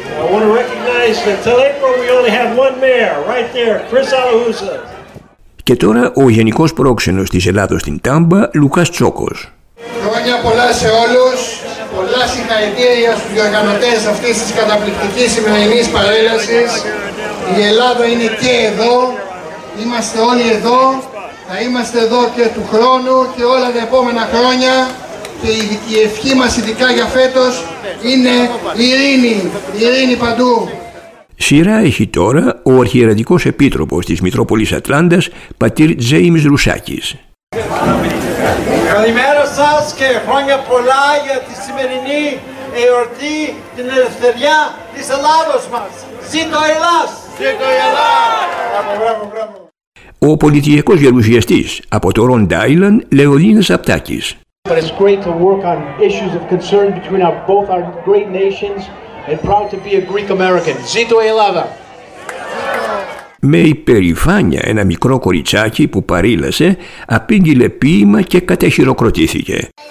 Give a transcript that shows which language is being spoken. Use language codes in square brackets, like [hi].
[en] I want to recognize that until April we only have one mayor, right there, Chris Alahousa. [el] Και τώρα ο γενικός πρόξενος της Ελλάδος στην Τάμπα, Λουκάς Τσόκος. Χρόνια πολλά σε όλους. Πολλά συγχαρητήρια στους διοργανωτές αυτής της καταπληκτικής σημερινής παρέλασης. Η Ελλάδα είναι και εδώ. Είμαστε όλοι εδώ. Θα είμαστε εδώ και του χρόνου και όλα τα επόμενα χρόνια. Και η ευχή μας ειδικά για φέτος είναι ειρήνη, ειρήνη παντού. Σειρά έχει τώρα ο Αρχιερατικός Επίτροπος της Μητρόπολης Ατλάντας, πατήρ Τζέιμς Ρουσάκης. Καλημέρα σας και χρόνια πολλά για τη σημερινή εορτή την ελευθερία της Ελλάδος μας. Ζήτω η Ελλάς! Ζήτω η Ελλάς! Μπράβο. Ο πολιτιακός γερουσιαστής από το Ρόντ Άιλαντ, Λεωνίδας Απτάκης. [en] But it's great to work on issues of concern between our, both our great nations and proud to be a Greek American. [el] Zito Elava. Με υπερηφάνεια ένα μικρό κοριτσάκι που παρήλασε απήγγειλε ποίημα και κατεχειροκροτήθηκε.